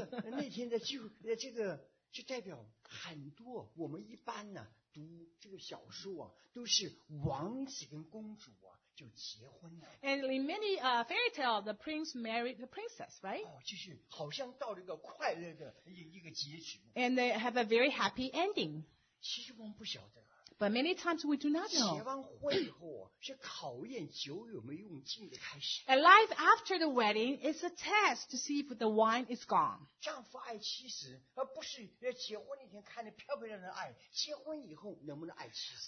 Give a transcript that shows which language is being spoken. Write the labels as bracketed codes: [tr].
[zh] 那天的就代表很多我们一般呢读这个小说都是王子跟公主就结婚了。 [en] And in many fairy tale, the prince married the princess, right? [zh] 就是好像到了一个快乐的一个结局。 [en] And they have a very happy ending. [zh] 其实我们不晓得。 [en] But many times we do not know. [zh] 结完婚以后是考验酒有没有用尽的开始。 [en] A life after the wedding is a test to see if the wine is gone. [zh] 丈夫爱妻时，不是结婚那天看着漂漂亮亮的爱，结婚以后能不能爱妻？